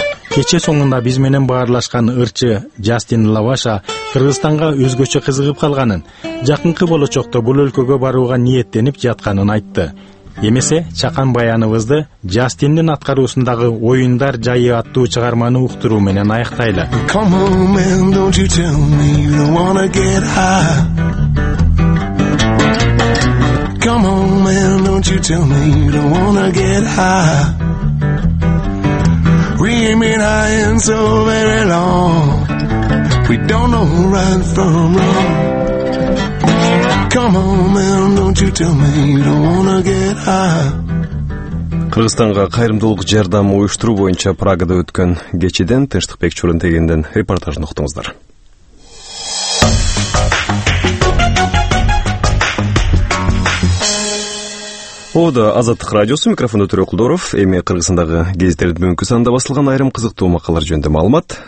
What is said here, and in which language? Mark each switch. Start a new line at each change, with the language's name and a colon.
Kyrgyz: Кече соңунда биз менен баарлашкан ырчы Джастин Лаваша Кыргызстанга өзгөчө кызыгып калганын, жакынкы болочокто бул өлкөгө барууга ниеттенип жатканын айтты. Эмесе чакан баяныбызды Джастиндин аткаруусундагы Оюндар жайы аттуу чыгарманы уктуруу менен аяктайлы.
English: Come on, man, don't you tell me you don't wanna get high. Come on, man, don't you tell me you don't wanna get high. We ain't been high so very long. We don't know right from wrong. Come on, man, don't you tell me you don't wanna get high.
Kyrgyz: Кыргызстанга кайрымдуулук жардам уюштуруу боюнча Прагада өткөн кечеден Тынчтыкбек Чөрөнтегендин репортажын уктуңуздар. Ода Азаттык радиосу микрофонду Төрөкулдоров. Эми Кыргызстандагы гезиттердин бүгүнкү санында басылган айрым кызыктуу макалалар жөнүндө маалымат.